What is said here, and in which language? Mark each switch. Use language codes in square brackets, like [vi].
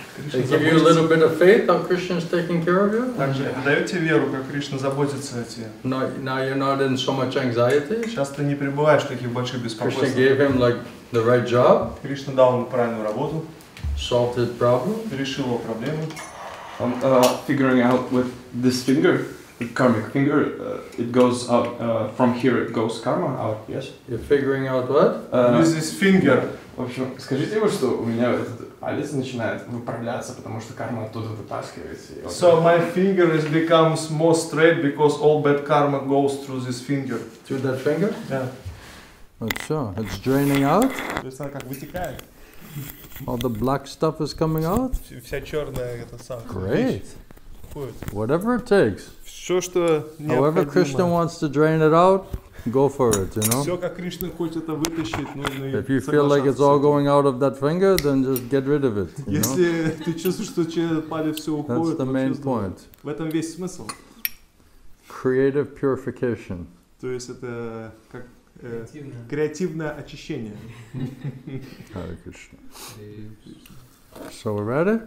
[en] They give you a little bit of faith that Krishna's taking care of you? [ru] Дают тебе веру, как Кришна заботится о тебе. [en] Now you're not in so much anxiety? [ru] Сейчас ты не пребываешь в таких больших беспокойствах. [en] Krishna gave him like the right job? [ru] Кришна дал ему правильную работу. [en] Solved his problem? [ru] Решил его проблему. [en] I'm figuring out with this finger, the karmic finger, it goes out, from here it goes karma out, yes? You're figuring out what? With this finger. [ru] В общем, скажите ему, что у меня этот палец начинает выправляться, потому что карма оттуда вытаскивается. Вот. [en] So my finger is becomes more straight because all bad karma goes through this finger. Through that finger? Yeah. [ru] Вот все, [en] it's draining out. [ru] То есть она как вытекает. [en] All the black stuff is coming out? [ru] Вся черная это самая. [en] Great. Whatever it takes. [ru] Все, что необходимо. [en] However Krishna wants to drain it out. Go for it, you know. [ru] Все, как Кришна хочет это вытащить, нужно. [en] If you feel like it's all going out of that finger, then just get rid of it. [ru] Если ты чувствуешь, что через палец все уходит, [en] that's the main point. [ru] В этом весь смысл. [en] Creative purification. [ru] То есть это как креативное очищение. [en] Hare Krishna. So we're ready?